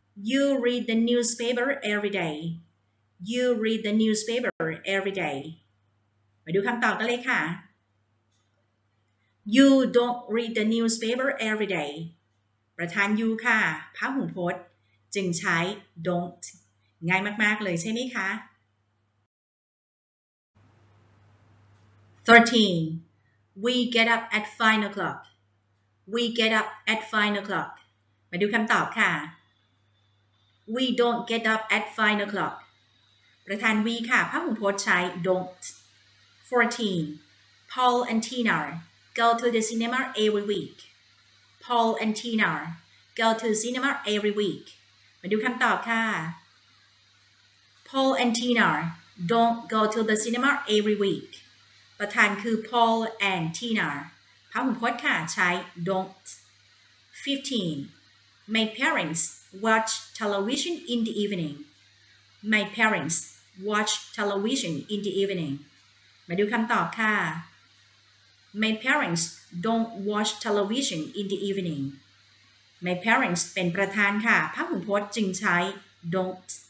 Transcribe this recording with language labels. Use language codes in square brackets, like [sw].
[en] You read the newspaper every day You read the newspaper every day [th] มาดูคำตอบกันเลยค่ะ [en] You don't read the newspaper every day. [th] ประธาน you ค่ะพหูพจน์จึงใช้ don't. ง่ายมากๆเลยใช่ไหมคะ 13. [en] We get up at 5 o'clock. We get up at 5 o'clock. [th] มาดูคำตอบค่ะ [en] We don't get up at 5 o'clock. [th] ประธาน we ค่ะพหูพจน์ใช้ don't. 14. [en] Paul and Tina go to the cinema every week. Paul and Tina go to the cinema every week. [th] มาดูคำตอบค่ะ [en] Paul and Tina don't go to the cinema every week. [th] ประธานคือ Paul and Tina. พหูพจน์ค่ะใช้ don't. [en] 15. My parents watch television in the evening. My parents watch television in the evening. [th] มาดูคำตอบค่ะ [en] My parents don't watch television in the evening. [th] My parents เป็นประธานค่ะพหูพจน์จึงใช้ don't.